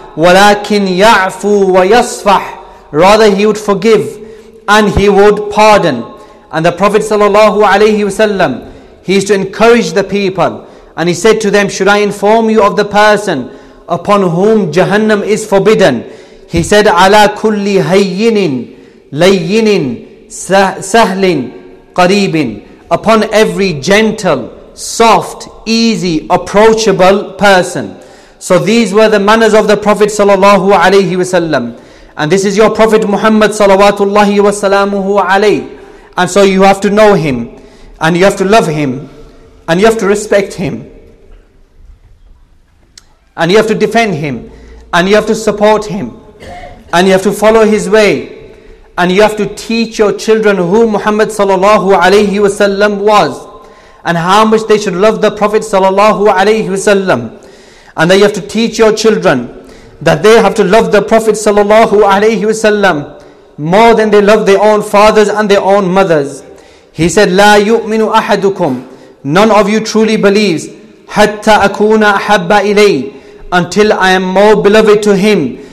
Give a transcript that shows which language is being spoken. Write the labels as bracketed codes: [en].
[ar] وَلَكِنْ يَعْفُو وَيَصْفَحْ. [en] Rather, he would forgive and he would pardon. And the Prophet sallallahu alayhi wasallam, he used to encourage the people. And he said to them, should I inform you of the person upon whom Jahannam is forbidden? He said, [ar] عَلَى كُلِّ هَيِّنٍ لَيِّنٍ سَهْلٍ قَرِيبٍ. [en] Upon every gentle, soft, easy, approachable person. So these were the manners of the Prophet sallallahu alayhi wasallam. And this is your Prophet Muhammad salawatullahi wasalamuhu alayhi. And so you have to know him, and you have to love him, and you have to respect him, and you have to defend him, and you have to support him, and you have to follow his way, and you have to teach your children who Muhammad sallallahu alayhi wasallam was, and how much they should love the Prophet sallallahu alayhi wasallam. And that you have to teach your children that they have to love the Prophet sallallahu alayhi wasallam more than they love their own fathers and their own mothers. He said, [ar] لا يؤمن أحدكم. [en] None of you truly believes. [ar] حتى أكون أحب إلي. [en] Until I am more beloved to him.